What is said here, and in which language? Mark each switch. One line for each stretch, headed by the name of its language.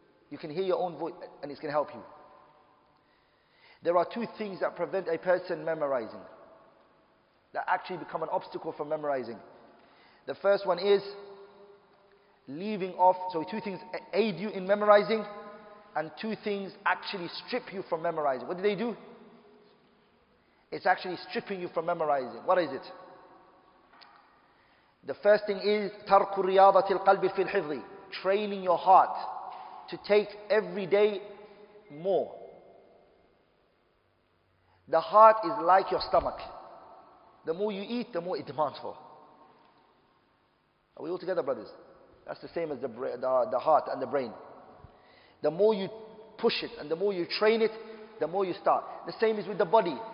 English: You can hear your own voice and it's going to help you. There are 2 things that prevent a person memorizing, that actually become an obstacle for memorizing. The first one is leaving off. So 2 things aid you in memorizing, and 2 things actually strip you from memorizing. What do they do? It's actually stripping you from memorizing. What is it?
Arabic: The first thing is تَرْكُ رِيَاضَةِ الْقَلْبِ فِي الْحِفْظِ.
English: Training your heart to take every day more. The heart is like your stomach. The more you eat, the more it demands for. Are we all together, brothers? That's the same as the heart and the brain. The more you push it and the more you train it, the more you start. The same is with the body.